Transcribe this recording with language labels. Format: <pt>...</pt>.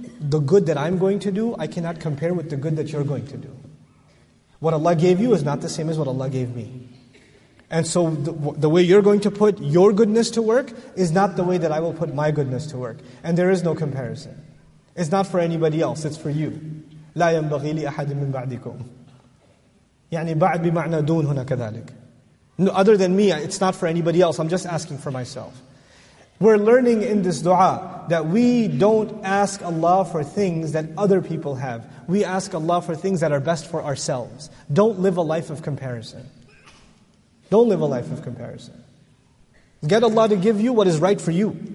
<en>The good that I'm going to do, I cannot compare with the good that you're going to do. What Allah gave you is not the same as what Allah gave me. And so the way you're going to put your goodness to work is not the way that I will put my goodness to work. And there is no comparison. It's not for anybody else, it's for you.</en> <ar>لا ينبغي لأحد من بعدكم. يعني بعد بمعنى دون هنا كذلك.</ar> <en>Other than me, it's not for anybody else. I'm just asking for myself. We're learning in this dua that we don't ask Allah for things that other people have. We ask Allah for things that are best for ourselves. Don't live a life of comparison. Don't live a life of comparison. Get Allah to give you what is right for you.</en>